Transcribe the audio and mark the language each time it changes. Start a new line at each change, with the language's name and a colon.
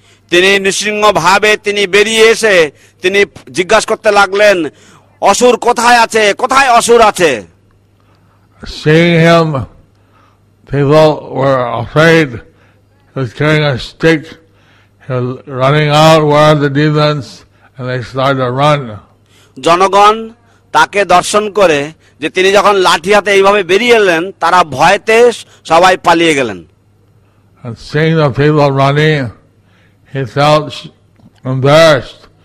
Bangla: তিনি নৃসিংহ ভাবে তিনি বেরিয়ে এসে তিনি জিজ্ঞাসা করতে লাগলেন, অসুর কোথায় আছে, কোথায় অসুর আছে?
English: Seeing him, people were afraid. He was carrying a stick. He was running out. Where are the demons? And they started to run.
Bangla: জনগণ তাকে দর্শন করে যে তিনি যখন লাঠি হাতে এইভাবে বেরিয়ে এলেন, তারা ভয়েতে সবাই পালিয়ে গেলেন।
English: And seeing the people running, he felt embarrassed.